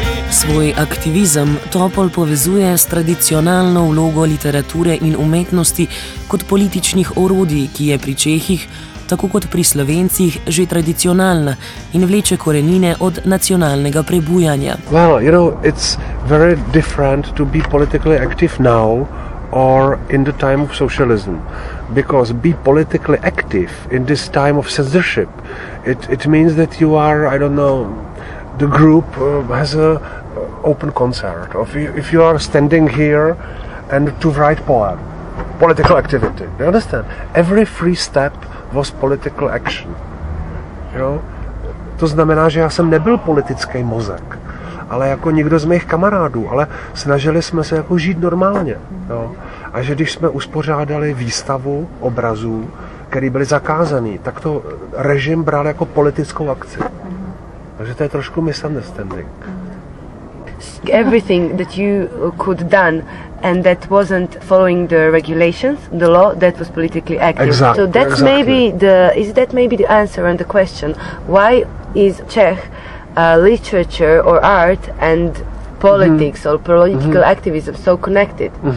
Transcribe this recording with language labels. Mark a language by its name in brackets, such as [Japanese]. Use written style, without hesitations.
[Slovenian] Svoj aktivizem Topol povezuje s tradicionalno vlogo literature in umetnosti kot političnih orodij, ki je pri Čehih, tako kot pri Slovencih, že tradicionalna in vleče korenine od nacionalnega prebujanja. [English] Well, you know, it's very different to be politically active now or in the time of socialism. Because be politically active in this time of censorship, it means that you are, I don't know, the group has a open concert. If you are standing here and to write poem, political activity. You understand? Every free step was political action. You know? [Czech] To znamená, že já jsem nebyl politický mozek, ale jako někdo z mých kamarádů, ale snažili jsme se jako žít normálně. Jo? A že když jsme uspořádali výstavu obrazů, které byly zakázané, tak to režim bral jako politickou akci. Takže to je trošku misunderstanding. [English] Everything that you could done and that wasn't following the regulations, the law, that was politically active. Exactly. So that's exactly. maybe the answer and the question, why is Czech literature or art and politics or political activism so connected?